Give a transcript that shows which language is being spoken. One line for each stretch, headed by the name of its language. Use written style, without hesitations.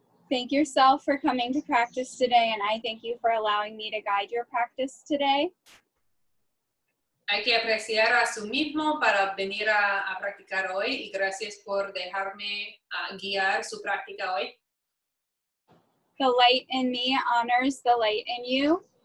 English: Thank yourself for coming to practice today, and I thank you for allowing me to guide your practice today.
Spanish: Hay que apreciar a su mismo para venir a practicar hoy y gracias por dejarme guiar su práctica hoy.
English: The light in me honors the light in you.